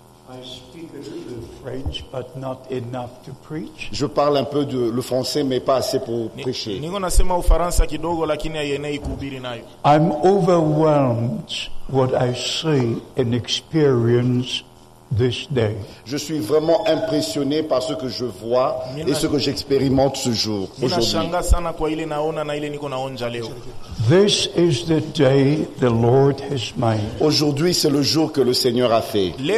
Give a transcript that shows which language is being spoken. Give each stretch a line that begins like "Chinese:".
English: I speak a little French, but not enough to preach.
French: Je parle un peu de le français, mais pas assez pour prêcher.
Swahili: Ningo nasema ufaransa kidogo lakini ayenei kuhubiri nayo.
English: I'm overwhelmed what I see and experience. This day.
French: Je suis vraiment impressionné par ce que je vois et ce que j'expérimente ce jour, aujourd'hui.
English: This is the day the Lord has made.
French: Aujourd'hui, c'est le jour que le Seigneur a fait.